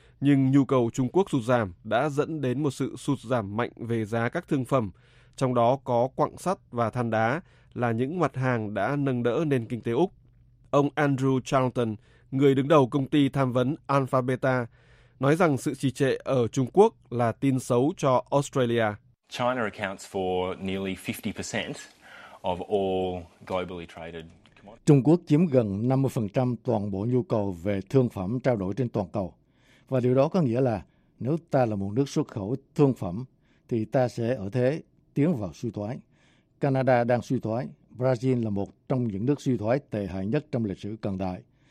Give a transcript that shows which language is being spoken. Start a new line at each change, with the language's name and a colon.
Vietnamese: Nhưng nhu cầu Trung Quốc sụt giảm đã dẫn đến một sự sụt giảm mạnh về giá các thương phẩm, trong đó có quặng sắt và than đá là những mặt hàng đã nâng đỡ nền kinh tế Úc. Ông Andrew Charlton, người đứng đầu công ty tham vấn Alpha Beta, nói rằng sự trì trệ ở Trung Quốc là tin xấu cho Australia.
English: China accounts for nearly 50% of all globally traded.
Vietnamese: Trung Quốc chiếm gần 50% toàn bộ nhu cầu về thương phẩm trao đổi trên toàn cầu. Và điều đó có nghĩa là nếu ta là một nước xuất khẩu thương phẩm thì ta sẽ ở thế tiến vào suy thoái. Canada đang suy thoái, Brazil là một trong những nước suy thoái tệ hại nhất trong lịch sử cận đại.